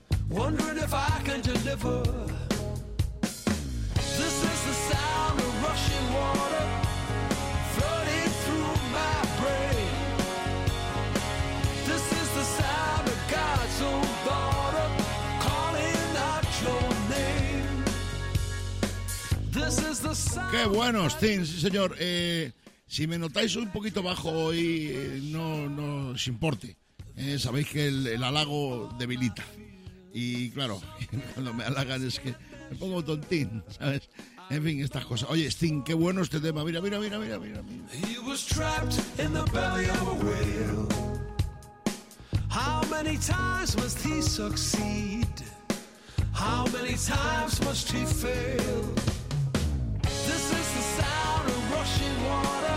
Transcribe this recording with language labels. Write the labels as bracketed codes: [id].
[en] Wondering if I can deliver. This is the sound of rushing water flooding through my brain. This is the sound of God's own daughter calling out your name. This is the sound. [es] Qué bueno, Sting, sí, señor. Si me notáis un poquito bajo hoy, no os importe. Sabéis que el halago debilita. Y claro, cuando me halagan es que me pongo tontín, ¿sabes? En fin, estas cosas. Oye, Sting, qué bueno este tema. Mira. [en] He was trapped in the belly of a whale. How many times must he succeed? How many times must he fail? This is the sound of rushing water.